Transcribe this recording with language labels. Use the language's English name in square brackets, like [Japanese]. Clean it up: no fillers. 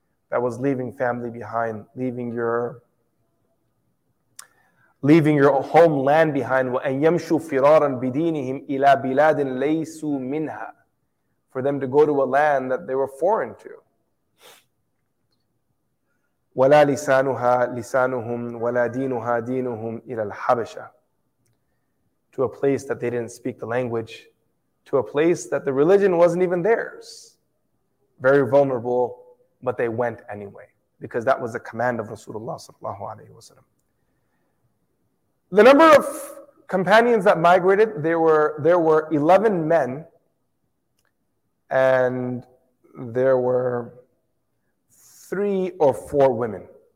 [English] That was leaving family behind, leaving your homeland behind. [Arabic] وَأَيَّمْشُوا فِرَارًا بِدِينِهِمْ إِلَى بِلَادٍ لَيْسُوا مِنْهَا. [English] For them to go to a land that they were foreign to. [Arabic] ولا لسانها لسانهم ولا دينها دينهم إلى الحبشة. [English] To a place that they didn't speak the language, to a place that the religion wasn't even theirs. Very vulnerable, but they went anyway. because that was the command of Rasulullah sallallahu alayhi wa sallam. The number of companions that migrated, there were 11 men, and there were 3 or 4 women.